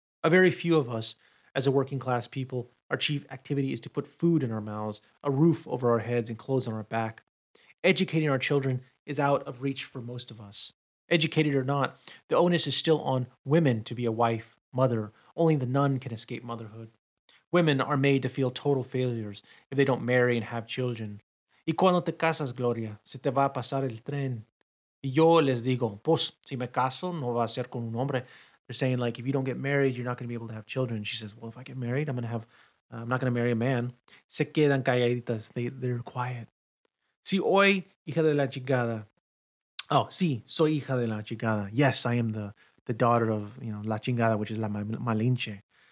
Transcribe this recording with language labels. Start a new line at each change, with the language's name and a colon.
English: A very few of us, as a working-class people, our chief activity is to put food in our mouths, a roof over our heads, and clothes on our back. Educating our children is out of reach for most of us. Educated or not, the onus is still on women to be a wife, mother. Only the nun can escape motherhood. Women are made to feel total failures if they don't marry and have children.
Spanish: Y cuando te casas, Gloria, se te va a pasar el tren. Y yo les digo, pues, si me caso, no va a ser con un hombre.
English: They're saying, like, if you don't get married, you're not going to be able to have children. She says, well, if I get married, I'm not going to marry a man.
Spanish: Se quedan calladitas.
English: They're quiet.
Spanish: Si hoy, hija de la chingada. Oh, sí, soy hija de la chingada.
English: Yes, I am the daughter of, you know, la chingada, which is la malinche.